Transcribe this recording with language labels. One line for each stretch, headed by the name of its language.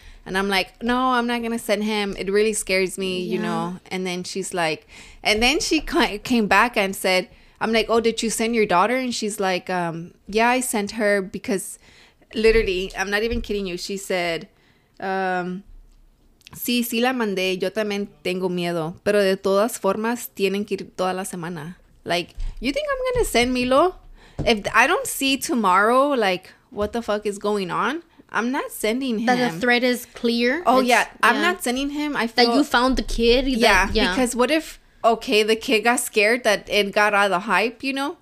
English: And I'm like, no, I'm not going to send him. It really scares me, you know? And then she's like, and then she came back and said, I'm like, oh, did you send your daughter? And she's like, yeah, I sent her because literally, I'm not even kidding you. She said,
Spanish: sí, sí la mandé. Yo también tengo miedo. Pero de todas formas, tienen que ir toda la semana.
English: Like, you think I'm going to send Milo? If I don't see tomorrow, like, what the fuck is going on? I'm not sending him. That the threat is clear. Oh, it's, yeah. I'm not sending him. I feel that you found the kid. Yeah. Because what if... Okay, the kid got scared that it got out of the hype, you know?